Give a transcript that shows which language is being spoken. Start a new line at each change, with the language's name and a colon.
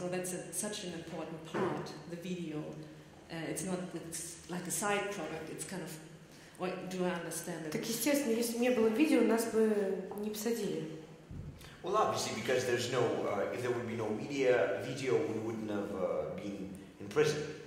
English: So that's such an important part, the video. It's not like a side product, it's kind of
Russian: Так естественно, если бы не было видео, нас бы не посадили.
English: Well, obviously, because there's no, if there would be no media, video, we wouldn't have been in prison.